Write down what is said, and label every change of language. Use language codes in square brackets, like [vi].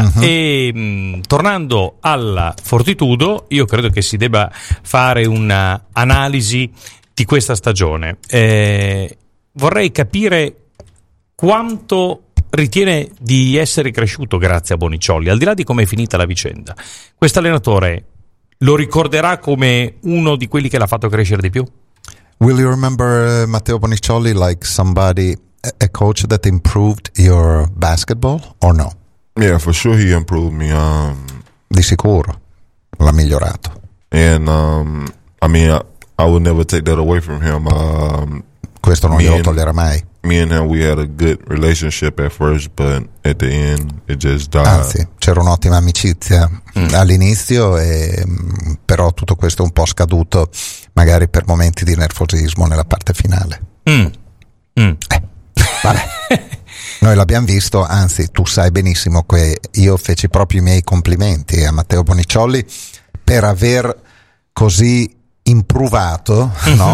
[it] Uh-huh. E tornando alla Fortitudo, io credo che si debba fare un'analisi di questa stagione. Vorrei capire quanto ritiene di essere cresciuto grazie a Boniciolli, al di là di come è finita la vicenda. Questo allenatore lo ricorderà come uno di quelli che l'ha fatto crescere di più? [en] Will you remember Matteo Boniciolli like somebody, a coach that improved your basketball or no? Yeah, for sure he improved me. [it] Di sicuro l'ha migliorato. [en] And I mean, I would never take that away from him. [it] Questo non glielo toglierà mai. [en] Me and him, we had a good relationship at first, but at the end, it just died. [it] Anzi, c'era un'ottima amicizia all'inizio, però tutto questo è un po' scaduto, magari per momenti di nervosismo nella parte finale. Vale. Noi l'abbiamo visto, anzi, tu sai benissimo che io feci proprio i miei complimenti a Matteo Boniciolli per aver così improvato, no?